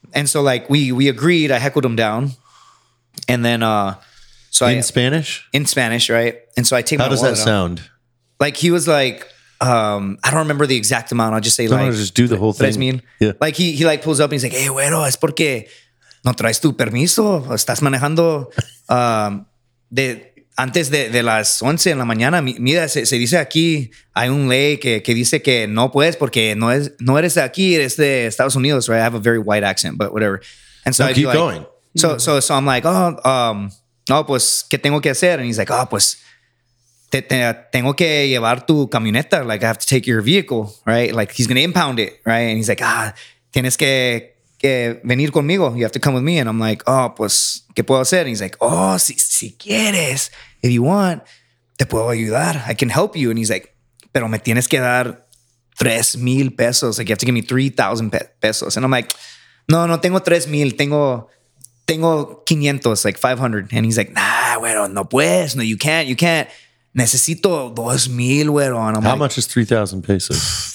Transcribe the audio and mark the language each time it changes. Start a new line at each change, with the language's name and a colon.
English: And so like we agreed. I heckled him down. And then so in Spanish? In Spanish, right? And so I take my wallet. How does that sound? Like he was like, I don't remember the exact amount. I'll just say I'll just do the whole thing. What I mean? Yeah. Like he like pulls up and he's like, hey, güero,
Spanish: es porque no traes tu permiso. Estás manejando de antes de las 11 en la mañana. Mira, se dice aquí, hay un ley que dice que no puedes porque no eres de aquí, eres de Estados Unidos,
English: right? I have a very white accent, but whatever. And so no, I keep going. Like, so I'm like, oh, no,
Spanish: pues, ¿qué tengo que hacer?
English: And he's like, oh,
Spanish: pues, tengo que llevar tu camioneta.
English: Like, I have to take your vehicle, right? Like, he's going to impound it, right? And he's like, ah,
Spanish: tienes que venir conmigo.
English: You have to come with me. And I'm like, oh,
Spanish: pues, ¿qué puedo hacer?
English: And he's like, oh,
Spanish: si quieres,
English: if you want,
Spanish: te puedo ayudar.
English: I can help you. And he's like,
Spanish: pero me tienes que dar 3,000 pesos.
English: Like, you have to give me 3,000 pesos. And I'm like,
Spanish: no, no tengo 3,000. Tengo 500,
English: like 500. And he's like, nah,
Spanish: güero, no puedes.
English: No, you can't.
Spanish: Necesito 2,000, güero.
English: And I'm much is 3,000 pesos?